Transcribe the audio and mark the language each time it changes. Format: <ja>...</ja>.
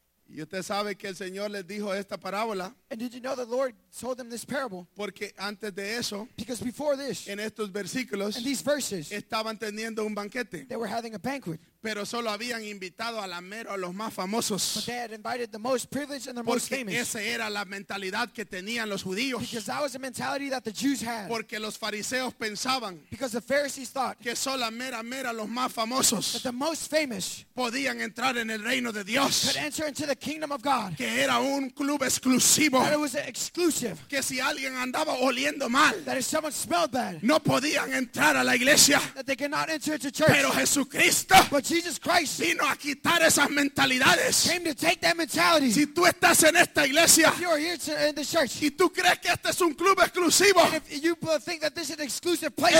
<es>Y usted sabe que el Señor les dijo esta parábola.</es> <en>And did you know the Lord told them this parable?</en> <es>Porque antes de eso,</es> <en>because before this,</en> <es>en estos versículos,</es> <en>in these verses,</en> <es>estaban teniendo un banquete.</es> <en>They were having a banquet.</en> <es>Pero solo habían invitado a la mero a los más famosos.</es> <en>But they had invited the most privileged and the most famous.</en> <es>Porque esa era la mentalidad que tenían los judíos.</es> <en>Because that was the mentality that the Jews had.</en> <es>Porque los fariseos pensaban,</es> <en>because the Pharisees thought,</en> <es>que solo a mera los más famosos,</es> <en>that the most famous,</en> <es>podían entrar en el reino de Dios.</es> <en>Could enter into the kingdom of God.</en> <es>Que era un club exclusivo.</es> <en>That it was exclusive.</en> <es>Que si alguien andaba oliendo mal,</es> <en>that if someone smelled bad,</en> <es>no podían entrar a la iglesia.</es> <en>That they could not enter into church.</en> <es>Pero Jesucristo,</es> <en>but Jesus Christ,</en> <es>vino a quitar esas mentalidades.</es> <en>Came to take that mentality.</en> <es>Si tú estás en esta iglesia,</es> <en>if you are here in the church,</en> <es>y tú crees que este es un club exclusivo,</es> <en>if you think that this is an exclusive place,</en>